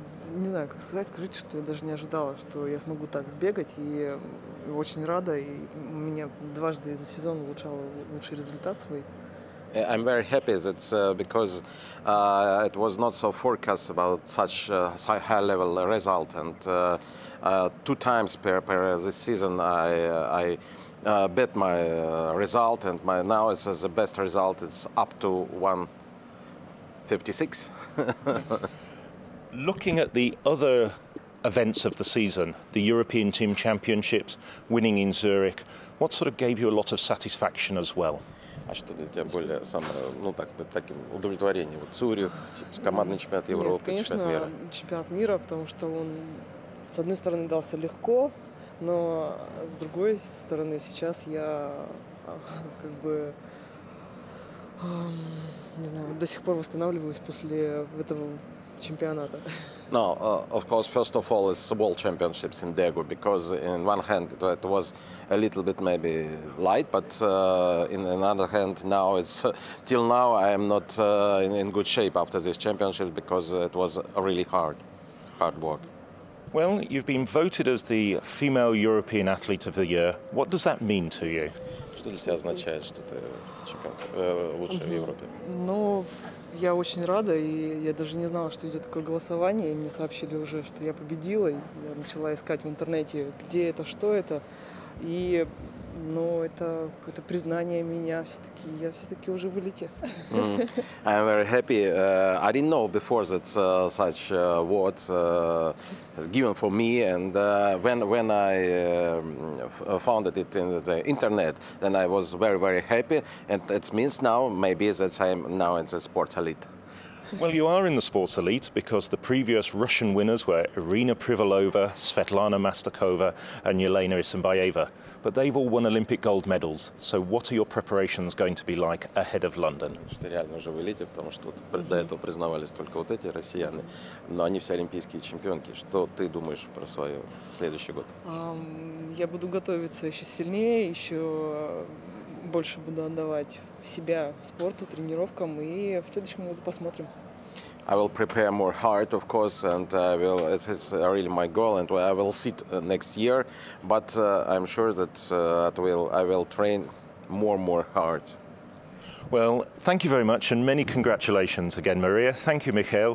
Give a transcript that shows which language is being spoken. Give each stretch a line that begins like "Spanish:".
Russian: Не знаю, как сказать, скажите, что я даже не ожидала, что я смогу так сбегать, и очень рада, и у меня дважды за сезон улучшала лучший результат свой.
English: I'm very happy that because it was not so forecast about such a high level result, and two times per this season I bet my result, and my now it's the best result. It's up to 156. Looking at the other events of the season, the European Team Championships, winning in Zurich, what sort of gave you a lot of satisfaction as well?
Russian: А что для тебя более самое, ну так, таким удовлетворением? Вот Цюрих, типа, командный чемпионат Европы, нет, конечно, чемпионат мира. Чемпионат мира, потому что он, с одной стороны, дался легко, но с другой стороны, сейчас я как бы, не знаю, до сих пор восстанавливаюсь после этого чемпионата.
English: No, of course, first of all, it's World Championships in Daegu, because in one hand it was a little bit maybe light, but in another hand now it's, till now I am not in good shape after this championship, because it was really hard work. Well, you've been voted as the female European athlete of the year. What does that mean to you?
Russian: Что для тебя означает, что ты лучшая в Европе? Ну, я очень рада, и я даже не знала, что идет такое голосование, и мне сообщили уже, что я победила. Я начала искать в интернете, где это, что это. И, ну, это какое-то признание меня все-таки. Я все-таки уже вылете.
English: I'm very happy. I didn't know before that such award was given for me. And when I found it in the internet, then I was very, very happy. And it means now, maybe that I'm now in the sports elite. Well, you are in the sports elite, because the previous Russian winners were Irina Privalova, Svetlana Mastakova and Yelena Isinbayeva. But they've all won Olympic gold medals. So what are your preparations going to be like ahead of London?
Russian: Это реально уже в элите, потому что до этого признавались только вот эти россияне. Но они все олимпийские чемпионки. Что ты думаешь про свой следующий год? Я буду готовиться еще сильнее, еще больше буду отдавать себя спорту, тренировкам, и в следующем году посмотрим.
English: I will prepare more hard, of course, and it's really my goal, and I will sit next year, but I'm sure that I will train more hard. Well, thank you very much, and many congratulations again, Maria. Thank you, Mikhail.